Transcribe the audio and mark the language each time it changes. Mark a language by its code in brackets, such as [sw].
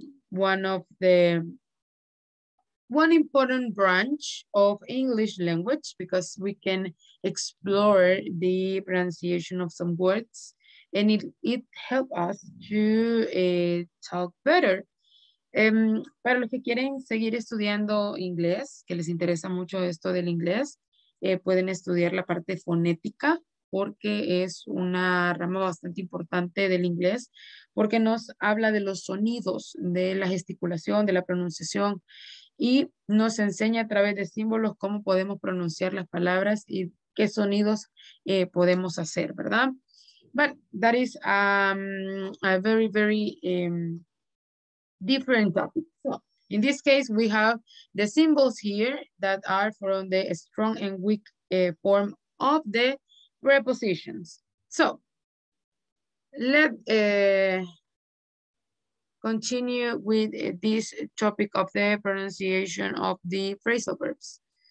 [en] one important branch of English language, because we can explore the pronunciation of some words and it helps us to talk better. [es] Para los que quieren seguir estudiando inglés, que les interesa mucho esto del inglés, pueden estudiar la parte fonética, porque es una rama bastante importante del inglés, porque nos habla de los sonidos, de la gesticulación, de la pronunciación, y nos enseña a través de símbolos cómo podemos pronunciar las palabras y qué sonidos podemos hacer, ¿verdad? [en] But that is a very, very different topic. So in this case, we have the symbols here that are from the strong and weak form of the prepositions. So let's continue with this topic of the pronunciation of the phrasal verbs.